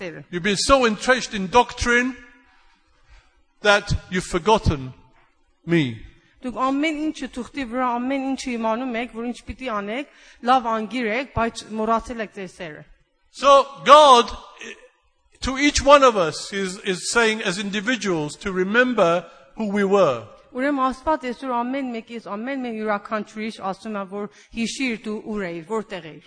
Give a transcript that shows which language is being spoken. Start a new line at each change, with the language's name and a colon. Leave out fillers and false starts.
English: You've been so entrenched in doctrine that you've forgotten me.
Armenian: Դուք ամեն ինչը թուղթի վրա ամեն ինչը իմանում եք, որ ինչ պիտի անեք, լավ անգիրեք, բայց մոռացել եք ձեր սերը.
English: So God to each one of us is saying as individuals to remember who we were.
Armenian: Ուրեմն Աստված այսօր ամեն մեկիս ամեն մեկ յուրաքանչյուրիս ասում է որ հիշիր դու ուր էիր, որտեղ էիր.